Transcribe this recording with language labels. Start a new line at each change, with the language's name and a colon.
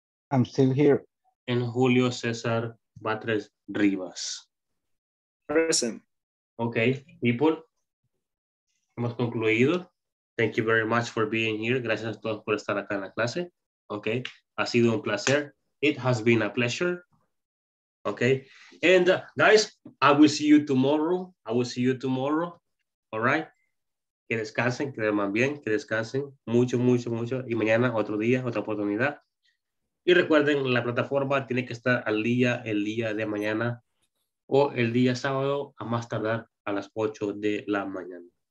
English: I'm still here. And Julio César Batres Rivas. Present. Okay, people.
Spanish: Hemos concluido.
English: Thank you very much for being here.
Spanish: Gracias a todos por estar acá en la clase.
English: Okay,
Spanish: ha sido un placer.
English: It has been a pleasure. Okay, and guys, I will see you tomorrow. I will see you tomorrow. All right.
Spanish: Que descansen, que duerman bien, que descansen mucho, mucho, mucho. Y mañana otro día, otra oportunidad. Y recuerden, la plataforma tiene que estar al día, el día de mañana o el día sábado a más tardar a las 8 de la mañana.